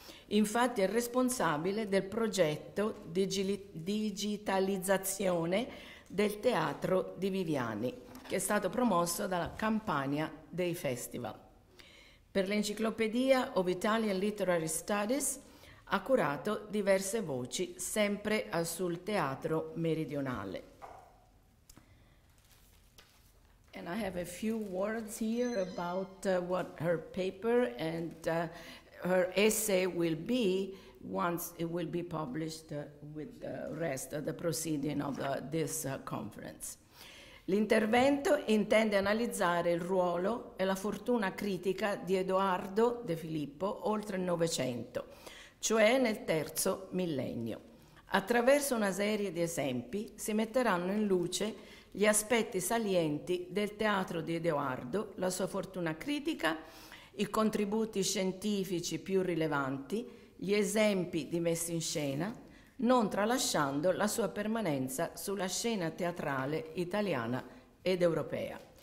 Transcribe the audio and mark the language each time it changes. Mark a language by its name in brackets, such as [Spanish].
[Italian] Infatti è responsabile del progetto digitalizzazione del teatro di Viviani, che è stato promosso dalla campagna dei festival. Per l'enciclopedia of Italian Literary Studies ha curato diverse voci sempre sul teatro meridionale. [English] And I have a few words here about what her paper and her essay will be once it will be published with the rest of the proceeding of this conference. [Italian] L'intervento intende analizzare il ruolo e la fortuna critica di Edoardo De Filippo oltre il Novecento, cioè nel terzo millennio. Attraverso una serie di esempi si metteranno in luce gli aspetti salienti del teatro di Edoardo, la sua fortuna critica, i contributi scientifici più rilevanti, gli esempi di messa in scena, non tralasciando la sua permanenza sulla scena teatrale italiana ed europea.